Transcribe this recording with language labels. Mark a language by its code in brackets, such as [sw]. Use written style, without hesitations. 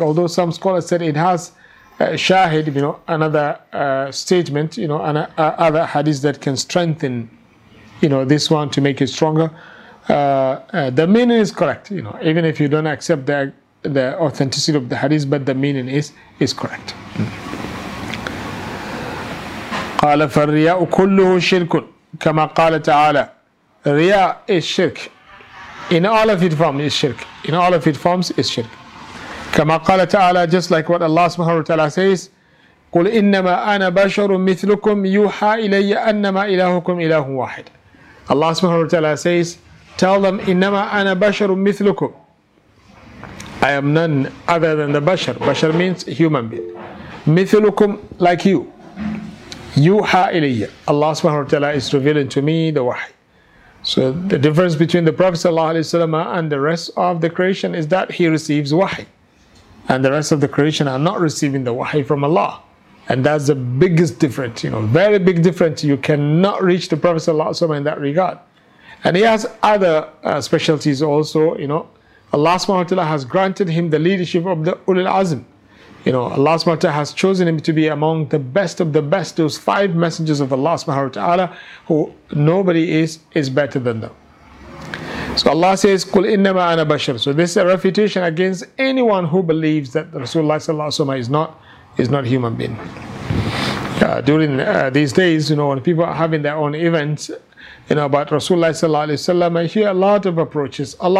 [en] Although some scholars said it has shahid, you know, another statement, you know, and other hadith that can strengthen, you know, this one to make it stronger. The meaning is correct, you know, even if you don't accept the authenticity of the hadith, but the meaning is correct. [ar] قال فالرياء كله شرك كما قال تعالى رياء [en] is shirk. In all of its forms is shirk. [ar] كما قال تعالى, [en] just like what Allah subhanahu wa ta'ala says, [ar] قل إنما أنا بشر مثلكم يوحى إلي أنما إلهكم إله واحد. [en] Allah subhanahu wa ta'ala says, tell them, [ar] إنما أنا بشر مثلكم. [en] I am none other than the bashar. Bashar means human being. [ar] مثلكم, [en] like you. [ar] يوحى إلي. [en] Allah subhanahu wa ta'ala is revealing to me the wahy. So the difference between the Prophet sallallahu alaihi wasallam and the rest of the creation is that he receives wahy, and the rest of the creation are not receiving the wahy from Allah. And that's the biggest difference, you know, very big difference. You cannot reach the Prophet sallallahu alaihi wasallam in that regard. And he has other specialties also, you know. Allah subhanahu wa ta'ala has granted him the leadership of the Ulul Azm. You know, Allah subhanahu wa ta'ala has chosen him to be among the best of the best, those five messengers of Allah subhanahu wa ta'ala, who nobody is better than them. So Allah says, [ar] قُلْ إِنَّمَا أَنَا بَشَرٌ. [en] So this is a refutation against anyone who believes that Rasulullah sallallahu alayhi wa sallam is not a human being. During these days, you know, when people are having their own events, you know, about Rasulullah sallallahu alayhi wa sallam, I hear a lot of approaches.